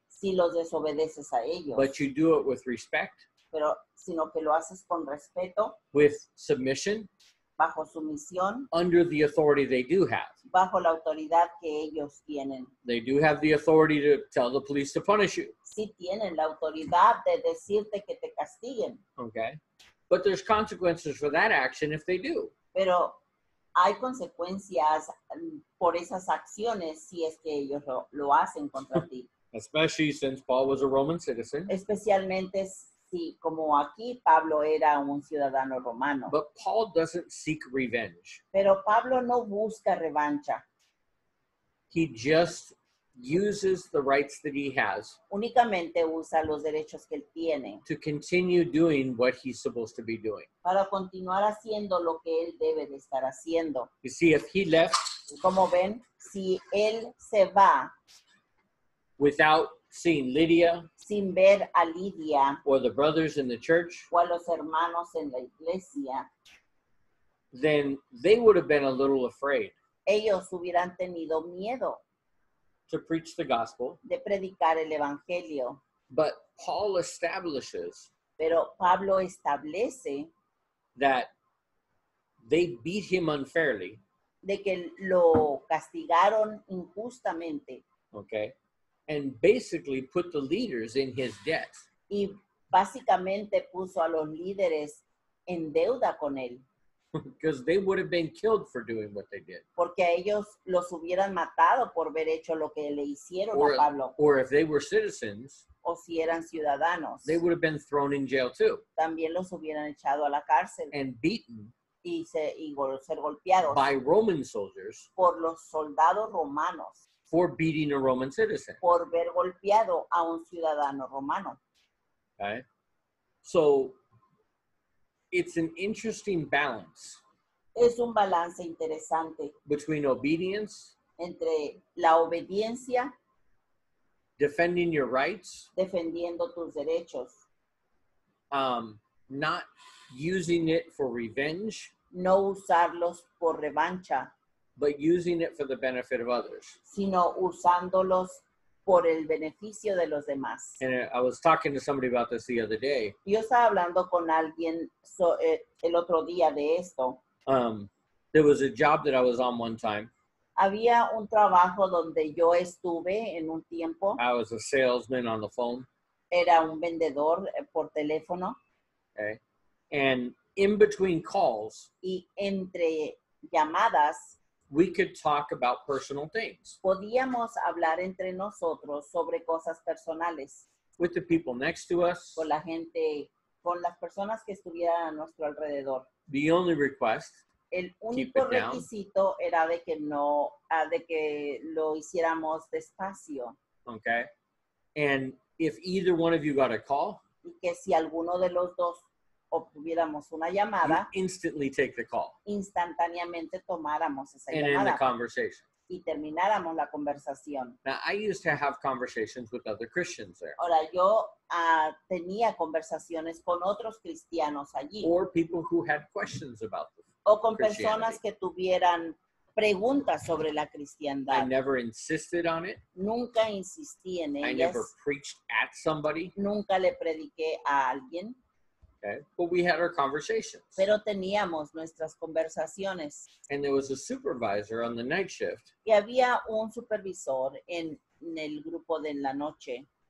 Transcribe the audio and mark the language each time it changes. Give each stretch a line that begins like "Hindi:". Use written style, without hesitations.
Spanish: si los desobedeces a ellos.
English: But you do it with respect.
Spanish: Pero sino que lo haces con respeto.
English: With submission.
Spanish: Bajo sumisión.
English: Under the authority they do have.
Spanish: Bajo la autoridad que ellos tienen.
English: They do have the authority to tell the police to punish you.
Spanish: Sí tienen la autoridad de decirte que te castiguen.
English: Okay. But there's consequences for that action if they do.
Spanish: Pero hay consecuencias por esas acciones si es que ellos lo hacen contra ti.
English: Especially since Paul was a Roman citizen.
Spanish: Especialmente si, como aquí Pablo era un ciudadano romano.
English: But Paul doesn't seek revenge.
Spanish: Pero Pablo no busca revancha.
English: He just uses the rights that he has.
Spanish: Únicamente usa los derechos que él tiene.
English: To continue doing what he's supposed to be doing.
Spanish: Para continuar haciendo lo que él debe de estar haciendo.
English: You see, if he left.
Spanish: Como ven, si él se va.
English: Without seeing Lydia.
Spanish: Sin ver a Lydia.
English: Or the brothers in the church.
Spanish: O a los hermanos en la iglesia.
English: Then they would have been a little afraid.
Spanish: Ellos hubieran tenido miedo.
English: To preach the gospel.
Spanish: De predicar el evangelio.
English: But Paul establishes.
Spanish: Pero Pablo establece.
English: That they beat him unfairly.
Spanish: De que lo castigaron injustamente.
English: Okay. And basically put the leaders in his debt.
Spanish: Y básicamente puso a los líderes en deuda con él.
English: Because they would have been killed for doing what they did.
Spanish: Porque a ellos los hubieran matado por haber hecho lo que le hicieron
English: or,
Spanish: a Pablo.
English: Or if they were citizens.
Spanish: O si eran ciudadanos.
English: They would have been thrown in jail too.
Spanish: También los hubieran echado a la cárcel.
English: And beaten.
Spanish: Y ser golpeados.
English: By Roman soldiers.
Spanish: Por los soldados romanos.
English: For beating a Roman citizen.
Spanish: Por haber golpeado a un ciudadano romano.
English: Okay. So. It's an interesting balance.
Spanish: Es un balance interesante.
English: Between obedience.
Spanish: Entre la obediencia.
English: Defending your rights.
Spanish: Defendiendo tus derechos.
English: Not using it for revenge.
Spanish: No usarlos por revancha.
English: But using it for the benefit of others.
Spanish: Sino usándolos por el beneficio de los demás.
English: And I was talking to somebody about this the other day.
Spanish: Yo estaba hablando con alguien el otro día de esto.
English: There was a job that I was on one time.
Spanish: Había un trabajo donde yo estuve en un tiempo.
English: I was a salesman on the phone.
Spanish: Era un vendedor por teléfono.
English: Okay. And in between calls.
Spanish: Y entre llamadas.
English: We could talk about personal things.
Spanish: Podíamos hablar entre nosotros sobre cosas personales.
English: With the people next to us.
Spanish: Con la gente, con las personas que estuvieran a nuestro alrededor.
English: The only request.
Spanish: El único requisito era de que no, de que lo hiciéramos despacio.
English: Okay. And if either one of you got a call.
Spanish: Y que si alguno de los dos obtuviéramos una llamada,
English: instantly take the call.
Spanish: Instantáneamente tomáramos esa llamada.
English: And end the conversation.
Spanish: Y termináramos la conversación.
English: Now, I used to have conversations with other Christians there.
Spanish: Ahora, yo tenía conversaciones con otros cristianos allí.
English: Or people who had questions about the
Spanish: Christianity. O con personas que tuvieran preguntas sobre la cristiandad.
English: I never insisted on it.
Spanish: Nunca insistí en ellas.
English: I never preached at somebody.
Spanish: Nunca le prediqué a alguien.
English: Okay. But we had our conversations.
Spanish: Pero teníamos nuestras conversaciones.
English: And there was a supervisor on the night shift.
Spanish: Y había un supervisor en el grupo de la noche.